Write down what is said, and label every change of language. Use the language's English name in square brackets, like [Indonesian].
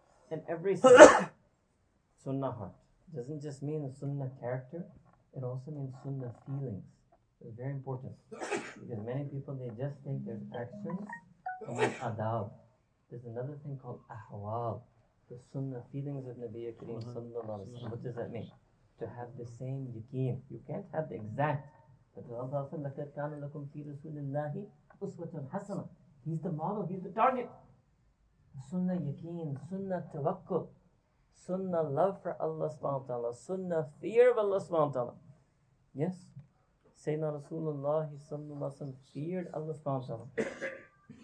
[English] And every sunnah heart doesn't just mean a sunnah character, it also means sunnah feelings. It's very important. Because many people, they just think there's actions and there's adab. There's another thing called ahwal, the sunnah feelings of Nabiya Kareem sallallahu alayhi wa sallam. What does that mean? To have the same yakin. You can't have the exact. But Allah said, [Arabic] لَكَدْ كَانَ لَكُمْ فِي رَسُولِ اللَّهِ أُسْوَةٌ حَسَنًا. [English] He's the model, he's the target. Sunnah yakin, sunnah tawakkul, sunnah love for Allah subhanahu wa ta'ala, sunnah fear of Allah subhanahu wa ta'ala. Yes? Sayyidina Rasulullah sallallahu alayhi wa sallam feared Allah subhanahu wa ta'ala.